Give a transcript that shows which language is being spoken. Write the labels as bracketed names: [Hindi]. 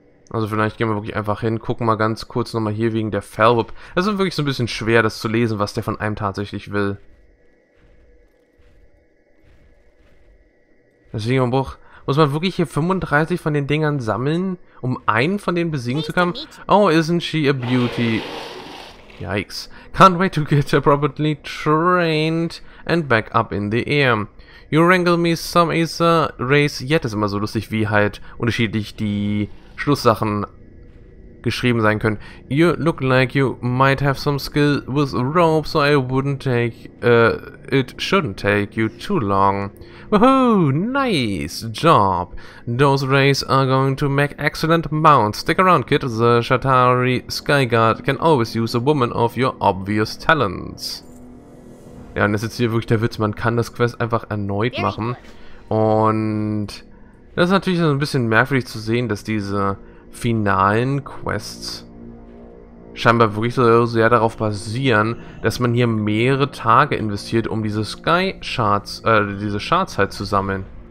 [German] Also vielleicht gehen wir wirklich einfach hin, gucken mal ganz kurz nochmal hier wegen der Fellwip. Es ist wirklich so ein bisschen schwer, das zu lesen, was der von einem tatsächlich will. Deswegen im Buch muss man wirklich hier 35 von den Dingern sammeln, um einen von denen besiegen zu können? [English] Oh, isn't she a beauty? Yikes. Can't wait to get her properly trained and back up in the air. You wrangle me some Acer Race. [German] Yet ist immer so lustig, wie halt unterschiedlich die Schlusssachen geschrieben sein können. [English] You look like you might have some skill with rope, so I wouldn't it shouldn't take you too long. Woohoo, nice job. Those rays are going to make excellent mounts. Stick around, kid. The Chatari Sky Guard can always use a woman of your obvious talents. [German] Ja, und das ist jetzt hier wirklich der Witz. Man kann das Quest einfach erneut machen. Und das ist natürlich so ein bisschen merkwürdig zu sehen, dass diese finalen Quests scheinbar wirklich so sehr darauf basieren, dass man hier mehrere Tage investiert, um diese Sky Shards, diese Shards halt zu sammeln.